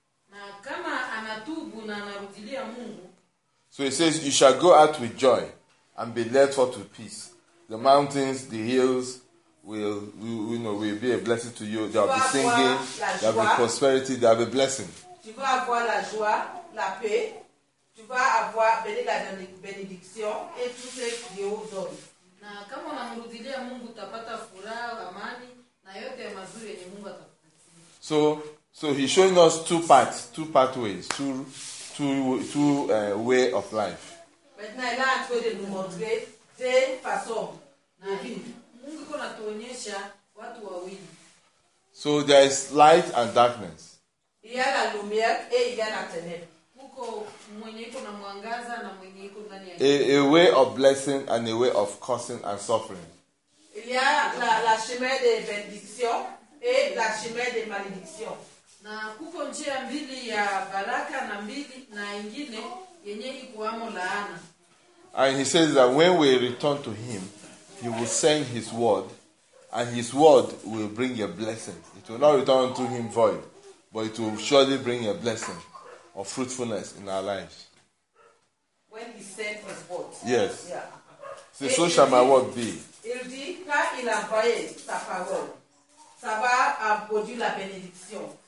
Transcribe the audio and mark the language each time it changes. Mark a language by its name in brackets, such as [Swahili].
[Swahili] Na kama anatubu na anarudilia Mungu. [English] So he says you shall go out with joy and be led forth with peace. The mountains, the hills will be a blessing to you. There will be singing, there will be prosperity, there will be blessing. [French] Tu vas avoir la joie, la paix, tu vas avoir béni la bénédiction et tout ce que Dieu donne. [Swahili] Na kama unamrudilia Mungu utapata furaha, amani na yote ya mazuri yenye Mungu atakupatia. [English] So he's showing us two pathways, two way of life. [French] Maintenant, il est en train de nous montrer deux façons. [Swahili] Mungu kuna tuonyesha watu wawili. [English] So there is light and darkness. [French] Il y a la lumière et il y a la ténèbre. [English] A way of blessing and a way of cursing and suffering. [French] Il y a la chemin de bénédiction et la chemin de malédiction. [Swahili] Na kuko njia mbili ya baraka na mbili na ingine yenye ikuamo laana. [English] And he says that when we return to him, he will send his word, and his word will bring a blessing. It will not return to him void, but it will surely bring a blessing of fruitfulness in our lives. When he sent his word. Yes. Yeah. Say, so shall my word be. [French] Il dit, car il a envoyé sa parole, ça va produire la bénédiction.